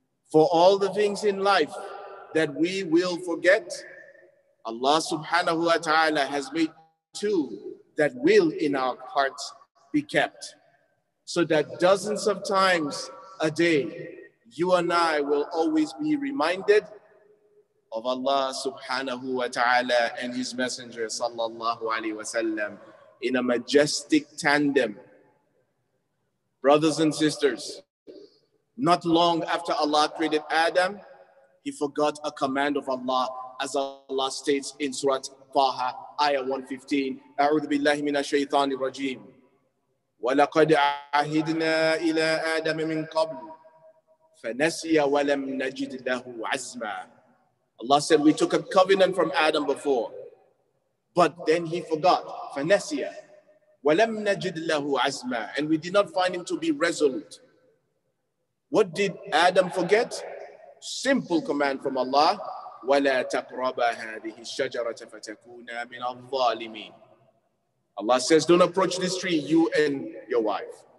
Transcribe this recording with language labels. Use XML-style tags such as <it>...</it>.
<en>For all the things in life that we will forget, Allah subhanahu wa ta'ala has made two that will in our hearts be kept, so that dozens of times a day, you and I will always be reminded of Allah subhanahu wa ta'ala and His Messenger sallallahu alayhi wa sallam in a majestic tandem. Brothers and sisters, not long after Allah created Adam, he forgot a command of Allah, as Allah states in Surah Taha, ayah 115.</en> <ar>أَعُوذُ بِاللَّهِ مِنَ الشَّيْطَانِ الرَّجِيمِ وَلَقَدْ عَهِدْنَا إِلَىٰ آدَمَ مِنْ قَبْلُ فَنَسِيَ وَلَمْ نَجِدْ لَهُ عَزْمًا Allah said, we took a covenant from Adam before, but then he forgot.</ar> <en>فَنَسِيَ وَلَمْ نَجِدْ لَهُ عَزْمًا And we did not find him to be resolute. What did Adam forget? Simple command from Allah, وَلَا تَقْرَبَ هَذِهِ الشَّجَرَةَ فَتَكُونَ مِنَ الظَّالِمِينَ Allah says, don't approach this tree, you and your wife.</en>